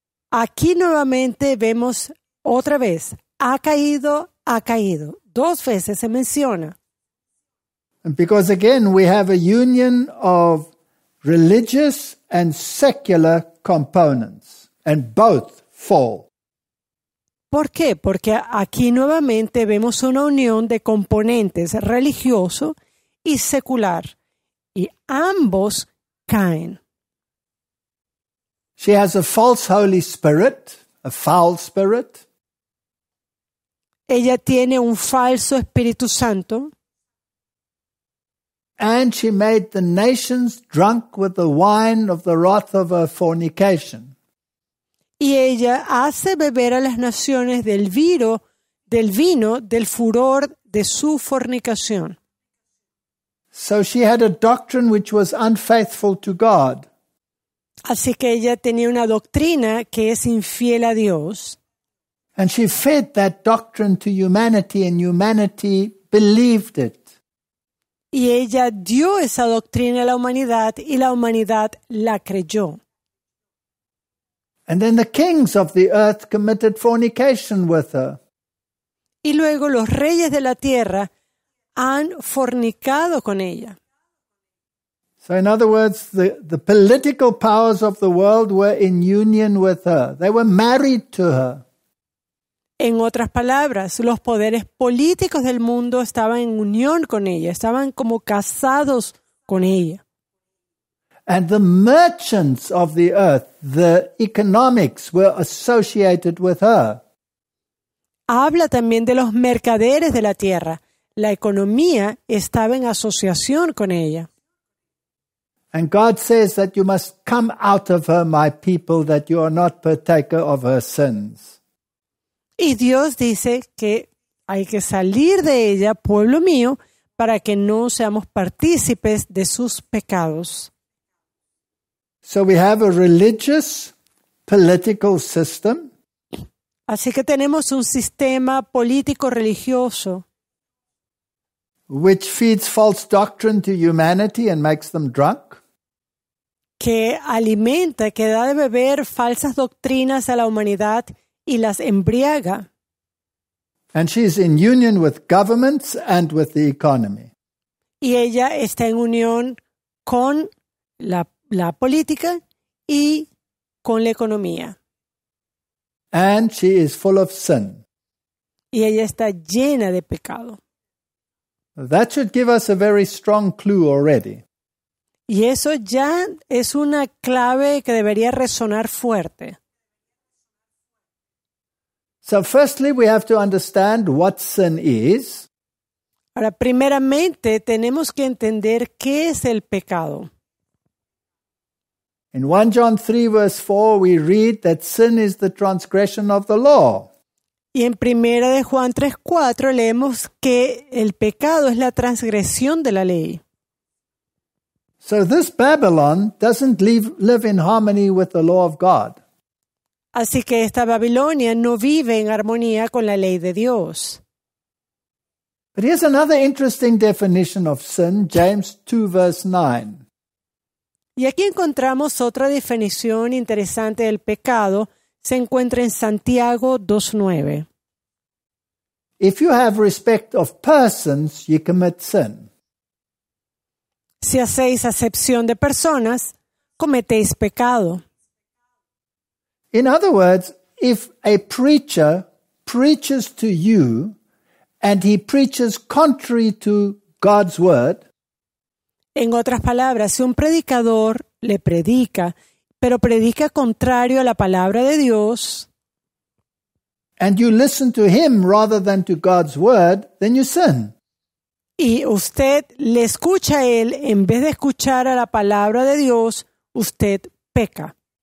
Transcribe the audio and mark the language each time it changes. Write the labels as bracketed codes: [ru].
[es] Aquí nuevamente vemos otra vez, ha caído. Dos veces se menciona. [en] Because again, we have a union of religious and secular components, and both fall. [es] ¿Por qué? Porque aquí nuevamente vemos una unión de componentes religioso y secular. Y ambos caen. [en] She has a false Holy Spirit, a foul spirit. [es] Ella tiene un falso Espíritu Santo. [en] And she made the nations drunk with the wine of the wrath of her fornication. [es] Y ella hace beber a las naciones del vino, del furor de su fornicación. [en] So she had a doctrine which was unfaithful to God. [es] Así que ella tenía una doctrina que es infiel a Dios. [en] And she fed that doctrine to humanity and humanity believed it. [es] Y ella dio esa doctrina a la humanidad y la humanidad la creyó. [en] And then the kings of the earth committed fornication with her. [es] Y luego los reyes de la tierra han fornicado con ella. [en] So in other words, the political powers of the world were in union with her. They were married to her. [es] En otras palabras, los poderes políticos del mundo estaban en unión con ella, estaban como casados con ella. [en] And the merchants of the earth, the economics, were associated with her. [es] Habla también de los mercaderes de la tierra. La economía estaba en asociación con ella. [en] And God says that you must come out of her, my people, that you are not partaker of her sins. [es] Y Dios dice que hay que salir de ella, pueblo mío, para que no seamos partícipes de sus pecados. [en] So we have a religious political system. [es] Así que tenemos un sistema político religioso. [en] Which feeds false doctrine to humanity and makes them drunk. [es] Que alimenta, que da de beber falsas doctrinas a la humanidad y las embriaga. [en] And she is in union with governments and with the economy. [es] Y ella está en unión con la política y con la economía. [en] And she is full of sin. [es] Y ella está llena de pecado. [en] That should give us a very strong clue already. [es] Y eso ya es una clave que debería resonar fuerte. [en] So firstly, we have to understand what sin is. [es] Ahora, primeramente, tenemos que entender qué es el pecado. [en] In 1 John 3, verse 4, we read that sin is the transgression of the law. [es] Y en 1 de Juan 3, 4, leemos que el pecado es la transgresión de la ley. [en] So this Babylon doesn't live in harmony with the law of God. [es] Así que esta Babilonia no vive en armonía con la ley de Dios. [en] But here's another interesting definition of sin, James 2, verse 9. [es] Y aquí encontramos otra definición interesante del pecado. Se encuentra en Santiago 2:9. [en] If you have respect of persons, you commit sin. [es] Si hacéis acepción de personas, cometéis pecado. [en] In other words, if a preacher preaches to you and he preaches contrary to God's word. [es] En otras palabras, si un predicador le predica, pero predica contrario a la palabra de Dios. [en] And you listen to him rather than to God's word, then you sin. [es] Y usted le escucha a él en vez de escuchar a la palabra de Dios, usted peca.